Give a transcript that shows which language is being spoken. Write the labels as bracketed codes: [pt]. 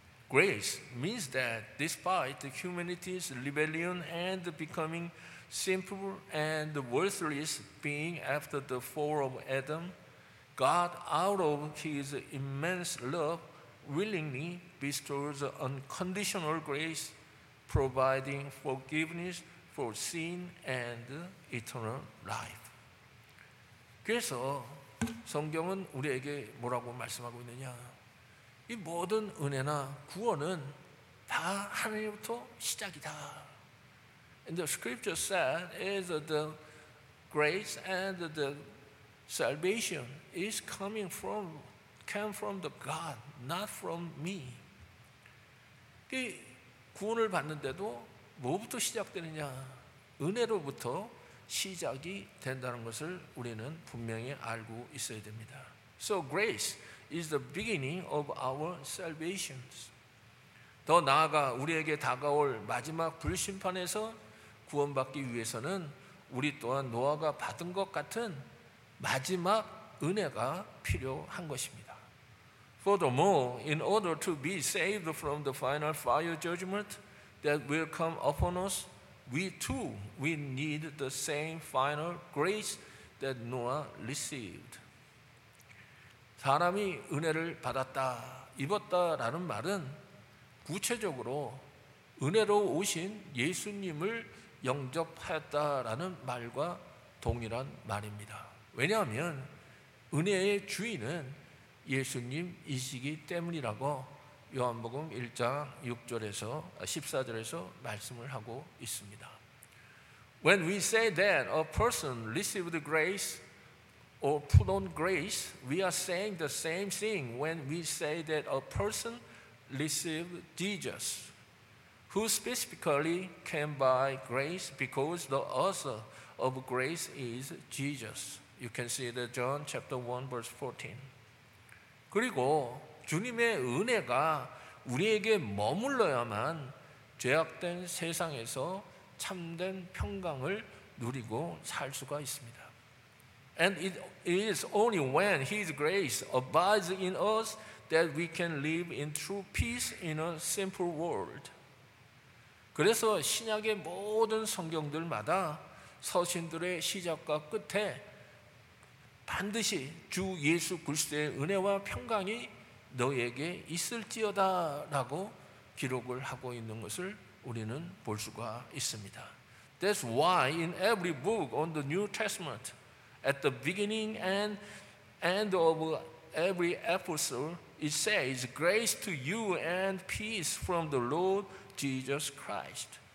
[en] Grace means that despite humanity's rebellion and becoming sinful and worthless being after the fall of Adam, God, out of his immense love, willingly bestows unconditional grace, providing forgiveness for sin and eternal life. [ko] 그래서 성경은 우리에게 뭐라고 말씀하고 있느냐? 이 모든 은혜나 구원은 다 하나님부터 시작이다. [en] And the scripture said is the grace and the salvation is coming from, came from the God, not from me. [ko] 이 구원을 받는데도 뭐부터 시작되느냐? 은혜로부터 시작이 된다는 것을 우리는 분명히 알고 있어야 됩니다. [en] So grace is the beginning of our salvation. [ko] 더 나아가 우리에게 다가올 마지막 불심판에서 구원받기 위해서는 우리 또한 노아가 받은 것 같은 마지막 은혜가 필요한 것입니다. [en] Furthermore, in order to be saved from the final fire judgment that will come upon us, we need the same final grace that Noah received. [ko] 사람이 은혜를 받았다, 입었다라는 말은 구체적으로 은혜로 오신 예수님을 영접했다라는 말과 동일한 말입니다. 왜냐하면 은혜의 주인은 예수님이시기 때문이라고 요한복음 1장 6절에서 14절에서 말씀을 하고 있습니다. [en] When we say that a person received grace or put on grace, we are saying the same thing when we say that a person received Jesus, who specifically came by grace because the author of grace is Jesus. You can see that John chapter 1 verse 14. [ko] 그리고 주님의 은혜가 우리에게 머물러야만 죄악된 세상에서 참된 평강을 누리고 살 수가 있습니다. [en] And it is only when His grace abides in us that we can live in true peace in a simple world. [ko] 그래서 신약의 모든 성경들마다 서신들의 시작과 끝에 반드시 주 예수 그리스도의 은혜와 평강이 너에게 있을지어다 라고 기록을 하고 있는 것을 우리는 볼 수가 있습니다. [en] That's why in every book on the New Testament, at the beginning and end of every epistle, it says, Grace to you and peace from the Lord Jesus Christ.